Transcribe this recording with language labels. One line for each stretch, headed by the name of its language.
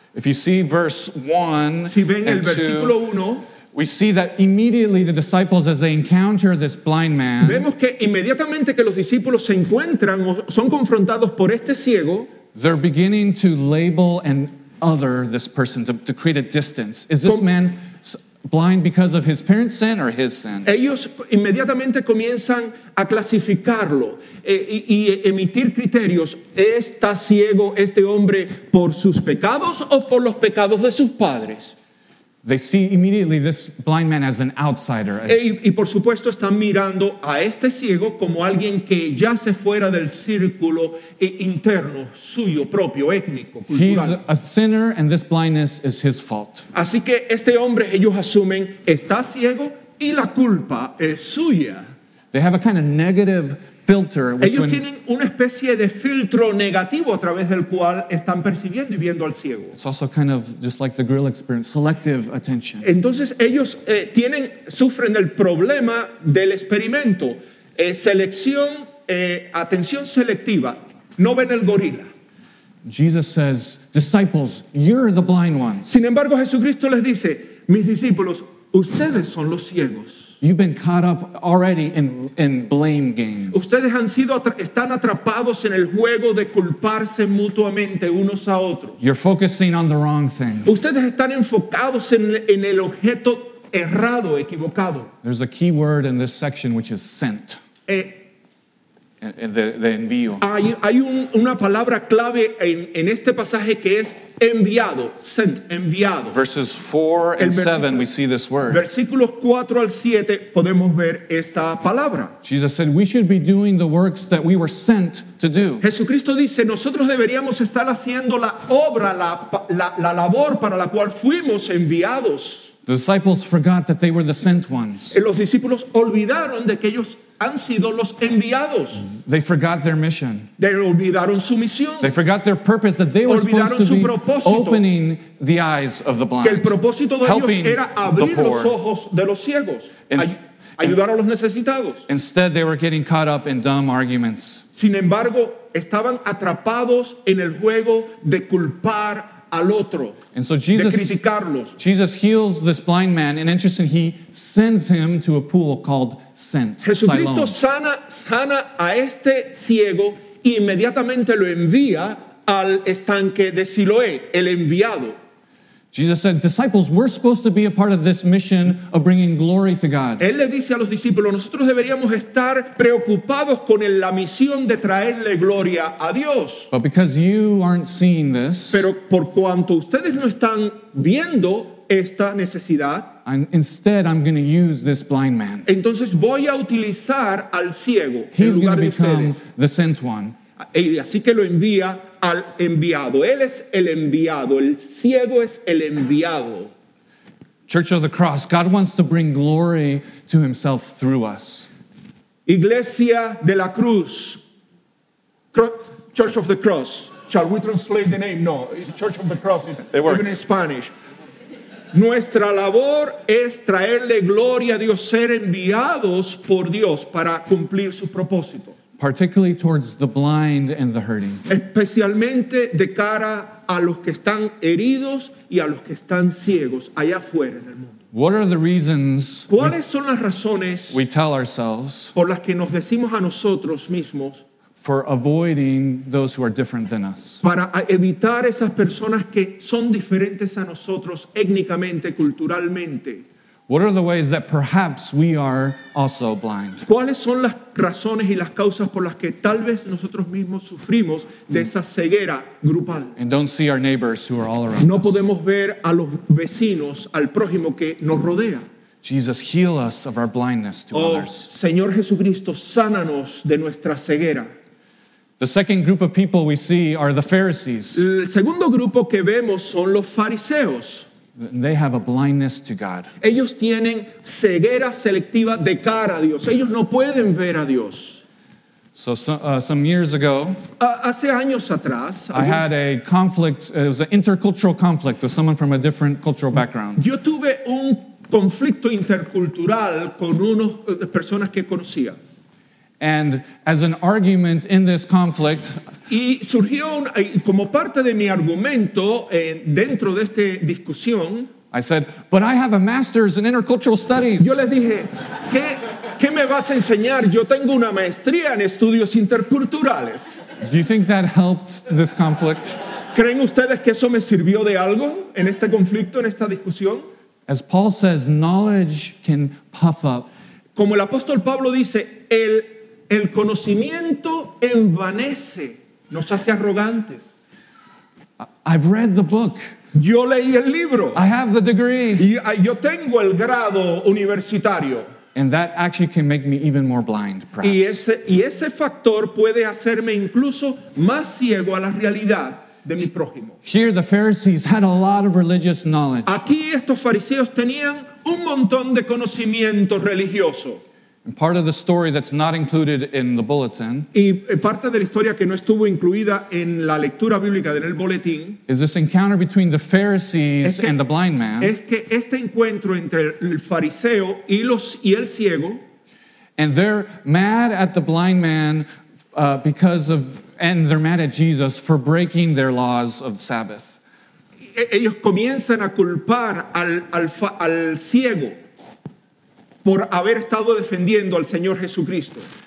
English: If you see verse 1,
Spanish: si ven el versículo 1,
English: we see that immediately the disciples, as they encounter this blind man,
Spanish: vemos que inmediatamente que los discípulos se encuentran o son confrontados por este ciego,
English: they're beginning to label and other this person, to create a distance. Is this man blind because of his parents' sin or his sin?
Spanish: Ellos inmediatamente comienzan a clasificarlo y emitir criterios. ¿Está ciego este hombre por sus pecados o por los pecados de sus padres?
English: They see immediately this blind man as an outsider.
Spanish: Y por supuesto están mirando a este ciego como alguien que ya se fuera del círculo interno suyo propio étnico cultural.
English: He's a sinner and this blindness is his fault.
Spanish: Así que este hombre ellos asumen está ciego y la culpa es suya.
English: They have a kind of negative filter.
Spanish: Ellos tienen una especie de filtro negativo a través del cual están percibiendo y viendo al ciego.
English: It's also kind of just like the grill experience, selective attention.
Spanish: Entonces ellos sufren el problema del experimento, atención selectiva. No ven el gorila.
English: Jesus says, "Disciples, you're the blind ones."
Spanish: Sin embargo, Jesucristo les dice, mis discípulos, ustedes son los ciegos.
English: You've been caught up already in blame games.
Spanish: Ustedes han sido están atrapados en el juego de culparse mutuamente unos a otros.
English: You're focusing on the wrong thing.
Spanish: Ustedes están enfocados en el objeto errado, equivocado.
English: There's a key word in this section which is sent.
Spanish: De envío. Hay una palabra clave en este pasaje que es enviado, sent, enviado.
English: Verses 4 and 7, we see this word.
Spanish: Versículos 4 al 7, podemos ver esta palabra.
English: Jesus said, we should be doing the works that we were sent to do.
Spanish: Jesucristo dice, nosotros deberíamos estar haciendo la obra, la labor para la cual fuimos enviados.
English: The disciples forgot that they were the sent ones.
Spanish: Los discípulos olvidaron de que ellos han sido los enviados.
English: They forgot their mission. They
Spanish: olvidaron su misión.
English: They forgot their purpose, that they were
Spanish: olvidaron
English: supposed to
Spanish: su
English: be
Spanish: propósito.
English: Opening the eyes of the blind.
Spanish: Que el propósito de
English: helping
Spanish: ellos era abrir
English: the poor.
Spanish: Los ojos de los ciegos. Ayudar a los necesitados.
English: Instead, they were getting caught up in dumb arguments.
Spanish: Sin embargo, estaban atrapados en el juego de culpar al otro,
English: and so Jesus heals this blind man, and interesting, he sends him to a pool called Sent.
Spanish: Jesucristo sana a este ciego y inmediatamente lo envía al estanque de Siloé, el enviado.
English: Jesus said, disciples, we're supposed to be a part of this mission of bringing glory to God.
Spanish: Él le dice a los discípulos, nosotros deberíamos estar preocupados con la misión de traerle gloria a Dios.
English: But because you aren't seeing this,
Spanish: pero por cuanto ustedes no están viendo esta necesidad,
English: instead I'm going to use this blind man.
Spanish: Entonces voy a utilizar al ciego.
English: He's going to become
Spanish: ustedes.
English: The sent one.
Spanish: Así que lo envía al enviado. Él es el enviado. El ciego es el enviado.
English: Church of the Cross, God wants to bring glory to himself through us.
Spanish: Iglesia de la Cruz. Church of the Cross.
English: Shall we translate the name? No. Church of the Cross. It works. Even in Spanish.
Spanish: Nuestra labor es traerle gloria a Dios, ser enviados por Dios para cumplir su propósito.
English: Particularly towards the blind and the hurting.
Spanish: Especialmente de cara a los que están heridos y a los que están ciegos allá afuera en el mundo.
English: What are the reasons?
Spanish: ¿Cuáles son las razones?
English: We tell ourselves.
Spanish: Por las que nos decimos a nosotros mismos.
English: For avoiding those who are different than us.
Spanish: Para evitar esas personas que son diferentes a nosotros étnicamente, culturalmente.
English: What are the ways that perhaps we are also blind?
Spanish: ¿Cuáles son las razones y las causas por las que tal vez nosotros mismos sufrimos de esa ceguera grupal?
English: And don't see our neighbors who are all around.
Spanish: No podemos ver a los vecinos, al prójimo que nos rodea.
English: Jesus, heal us of our blindness to others.
Spanish: Señor Jesucristo, sánanos de nuestra ceguera.
English: The second group of people we see are the Pharisees.
Spanish: El segundo grupo que vemos son los fariseos.
English: They have a blindness to God.
Spanish: Ellos tienen ceguera selectiva de cara a Dios. Ellos no pueden ver a Dios.
English: So some years ago,
Spanish: hace años atrás,
English: I had a conflict. It was an intercultural conflict with someone from a different cultural background.
Spanish: Yo tuve un conflicto intercultural con unos personas que conocía.
English: And as an argument in this conflict,
Spanish: y surgió como parte de mi argumento dentro de esta discusión,
English: I said, "But I have a master's in intercultural studies."
Spanish: Yo les dije, ¿qué me vas a enseñar? Yo tengo una maestría en estudios interculturales.
English: Do you think that helped this conflict?
Spanish: ¿Creen ustedes que eso me sirvió de algo en este conflicto, en esta discusión?
English: As Paul says, knowledge can puff up.
Spanish: Como el apóstol Pablo dice, el conocimiento envanece, nos hace arrogantes.
English: I've read the book.
Spanish: Yo leí el libro.
English: I have the degree.
Spanish: Yo tengo el grado universitario.
English: And that actually can make me even more blind, perhaps.
Spanish: Y ese factor puede hacerme incluso más ciego a la realidad de mi prójimo.
English: Here the Pharisees had a lot of religious knowledge.
Spanish: Aquí estos fariseos tenían un montón de conocimiento religioso.
English: And part of the story that's not included in the bulletin.
Spanish: Y parte de la historia que no estuvo incluida en la lectura bíblica del boletín.
English: Is this encounter between the Pharisees and the blind man?
Spanish: Es que este encuentro entre el fariseo y el ciego.
English: And they're mad at the blind man and they're mad at Jesus for breaking their laws of Sabbath.
Spanish: Ellos comienzan a culpar al ciego por haber estado defendiendo al Señor Jesucristo.